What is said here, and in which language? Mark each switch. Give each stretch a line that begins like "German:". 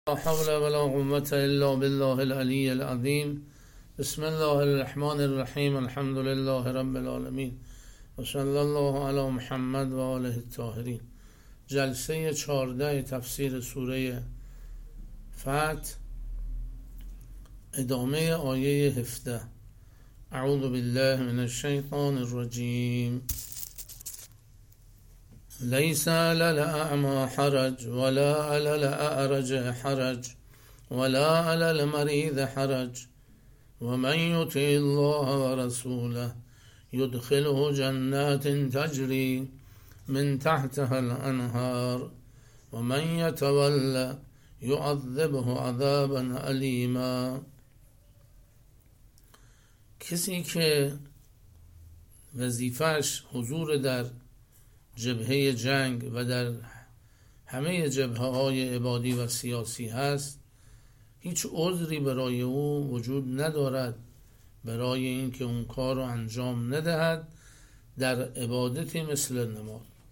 Arabic: حول ولا قوة إلا بالله العلي العظيم. بسم الله الرحمن الرحيم. الحمد لله رب العالمين وصلى الله على محمد وآله الطاهرين.
Persian: جلسه 14 تفسیر سوره فتح، ادامه آیه 17.
Arabic: اعوذ بالله من الشیطان الرجیم. ليس على الأعمى حرج ولا على الأعرج حرج ولا على المريض حرج ومن يطع الله ورسوله يدخله جنات تجري من تحتها الأنهار ومن يتولى يعذبه عذابا أليما.
Persian: کسی که وظیفه‌اش حضور در جبهه جنگ و در همه جبهه های عبادی و سیاسی هست، هیچ عذری برای او وجود ندارد برای اینکه اون کار رو انجام ندهد در عبادتی مثل نماز.